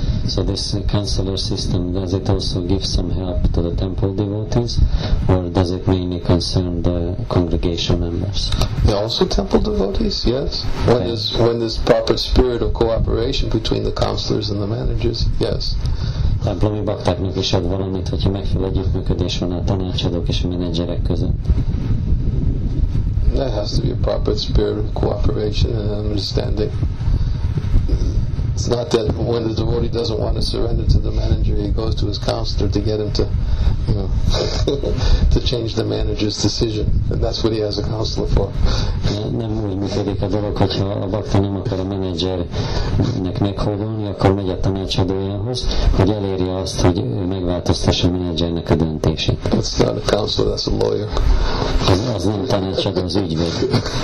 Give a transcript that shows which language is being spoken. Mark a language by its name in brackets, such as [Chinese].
[English] So this counselor system, does it also give some help to the temple devotees, or does it mainly concern the congregation members? Yeah, also temple devotees, yes. When okay. there's proper spirit of cooperation between the counselors and the managers, yes. [Hungarian] Templomi baktáknak is ad valamit, hogyha megfelelő együttműködés van a tanácsadók és a menedzserek között. [English] There has to be a proper spirit of cooperation and understanding. It's not that when the devotee doesn't want to surrender to the manager, he goes to his counselor to get him to, you know, to change the manager's decision. And that's what he has a counselor for. [Hungarian] Nem úgy működik a dolog, hogyha a bakta nem akar a menedzsernek meghódolni, akkor megy a tanácsadójához, hogy elérje azt, hogy megváltoztassa a menedzsernek a döntését. [English] That's not a counselor, that's a lawyer. [Hungarian] Az nem tanácsadó, az ügyvéd.